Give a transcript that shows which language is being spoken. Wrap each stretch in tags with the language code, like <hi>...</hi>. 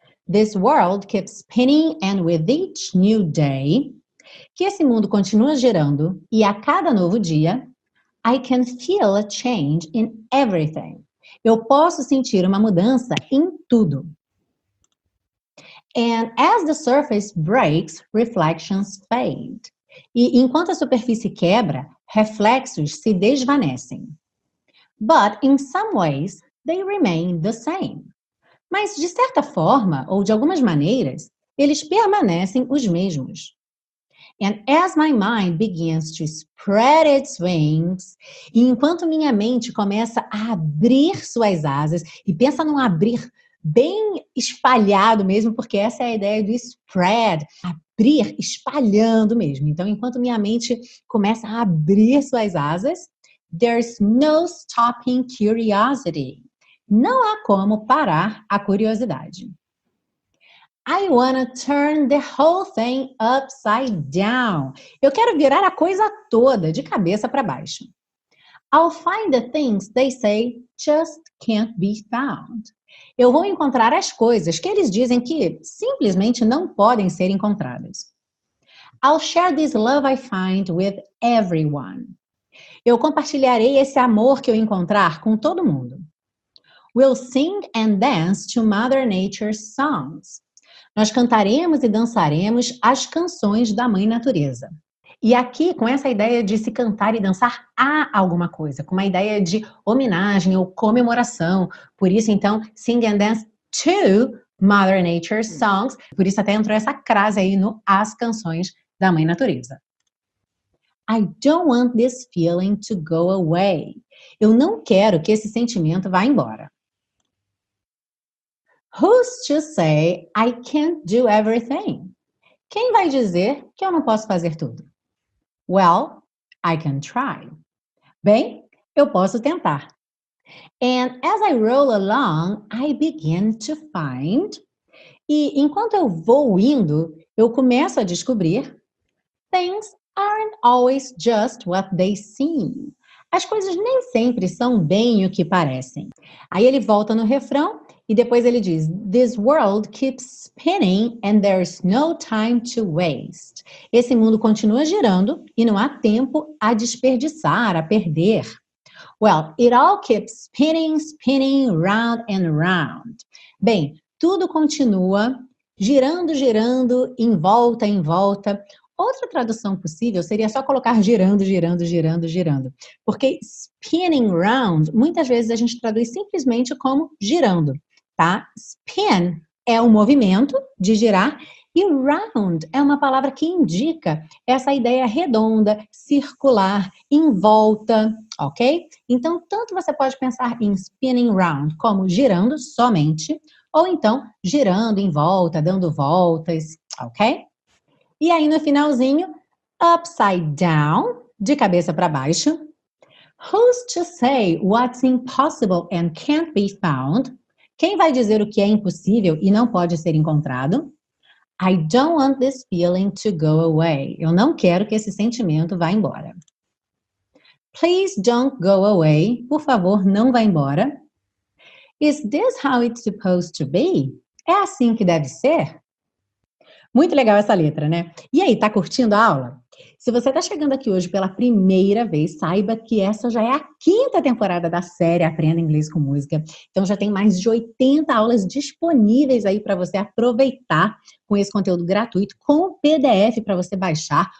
<en>This world keeps spinning and with each new day,</en> <pt>que esse mundo continua girando e a cada novo dia,</pt> <en>I can feel a change in everything.</en> <pt>Eu posso sentir uma mudança em tudo.</pt> <en>And as the surface breaks, reflections fade.</en> <pt>E enquanto a superfície quebra, reflexos se desvanecem.</pt> <en>But in some ways, they remain the same.</en> <pt>Mas de certa forma, ou de algumas maneiras, eles permanecem os mesmos.</pt> <en>And as my mind begins to spread its wings,</en> <pt>e enquanto minha mente começa a abrir suas asas, e pensa num abrir bem espalhado mesmo, porque essa é a ideia do spread, abrir, espalhando mesmo. Então, enquanto minha mente começa a abrir suas asas,</pt> <en>there's no stopping curiosity.</en> <pt>Não há como parar a curiosidade.</pt> <en>I wanna turn the whole thing upside down.</en> <pt>Eu quero virar a coisa toda de cabeça para baixo.</pt> <en>I'll find the things they say just can't be found.</en> <pt>Eu vou encontrar as coisas que eles dizem que simplesmente não podem ser encontradas.</pt> <en>I'll share this love I find with everyone.</en> <pt>Eu compartilharei esse amor que eu encontrar com todo mundo.</pt> <en>We'll sing and dance to Mother Nature's songs.</en> <pt>Nós cantaremos e dançaremos as canções da Mãe Natureza. E aqui, com essa ideia de se cantar e dançar a alguma coisa, com uma ideia de homenagem ou comemoração. Por isso, então,</pt> <en>sing and dance to Mother Nature's songs.</en> <pt>Por isso, até entrou essa crase aí no As Canções da Mãe Natureza.</pt> <en>I don't want this feeling to go away.</en> <pt>Eu não quero que esse sentimento vá embora.</pt> <en>Who's to say I can't do everything?</en> <pt>Quem vai dizer que eu não posso fazer tudo?</pt> <en>Well, I can try.</en> <pt>Bem, eu posso tentar.</pt> <en>And as I roll along, I begin to find.</en> <pt>E enquanto eu vou indo, eu começo a descobrir.</pt> <en>Things aren't always just what they seem.</en> <pt>As coisas nem sempre são bem o que parecem. Aí ele volta no refrão e depois ele diz:</pt> <en>This world keeps spinning and there's no time to waste.</en> <pt>Esse mundo continua girando e não há tempo a desperdiçar, a perder.</pt> <en>Well, it all keeps spinning, spinning, round and round.</en> <pt>Bem, tudo continua girando, girando, em volta. Outra tradução possível seria só colocar girando, girando, girando, girando. Porque spinning round, muitas vezes a gente traduz simplesmente como girando, tá? Spin é o movimento de girar e round é uma palavra que indica essa ideia redonda, circular, em volta, ok? Então, tanto você pode pensar em spinning round como girando somente, ou então girando em volta, dando voltas, ok? E aí no finalzinho, upside down, de cabeça para baixo.</pt> <en>Who's to say what's impossible and can't be found?</en> <pt>Quem vai dizer o que é impossível e não pode ser encontrado?</pt> <en>I don't want this feeling to go away.</en> <pt>Eu não quero que esse sentimento vá embora.</pt> <en>Please don't go away.</en> <pt>Por favor, não vá embora.</pt> <en>Is this how it's supposed to be?</en> <pt>É assim que deve ser? Muito legal essa letra, né? E aí, tá curtindo a aula? Se você tá chegando aqui hoje pela primeira vez, saiba que essa já é a quinta temporada da série Aprenda Inglês com Música. Então já tem mais de 80 aulas disponíveis aí para você aproveitar com esse conteúdo gratuito, com o PDF para você baixar.</pt>